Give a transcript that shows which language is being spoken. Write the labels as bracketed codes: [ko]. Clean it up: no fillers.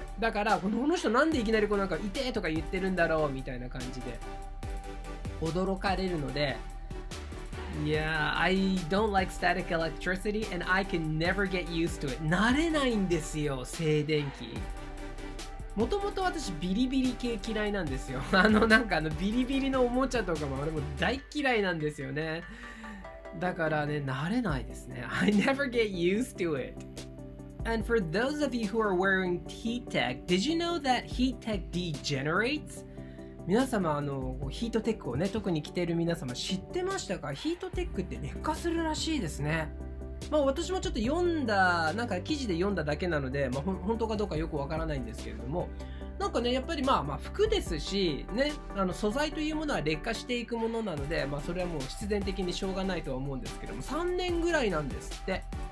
[ja] だからこの人なんでいきなりこうなんかいてとか言ってるんだろうみたいな感じで驚かれるので、 [en] Yeah, I don't like static electricity and I can never get used to it。 [ja] 慣れないんですよ静電気。もともと私ビリビリ系嫌いなんですよ。あのなんかあのビリビリのおもちゃとかも俺も大嫌いなんですよね。だからね、慣れないですね。 [en] I never get used to it. And for those of you who are wearing heat tech, did you know that heat tech degenerates? [ja] 皆様、あのヒートテックをね、特に着ている皆様、知ってましたか？ヒートテックって劣化するらしいですね。まあ私もちょっと読んだ、なんか記事で読んだだけなので、まあ、本当かどうかよくわからないんですけれども、なんかねやっぱりまあまあ服ですしね、あの素材というものは劣化していくものなので、まあそれはもう必然的にしょうがないとは思うんですけども、3年ぐらいなんですって。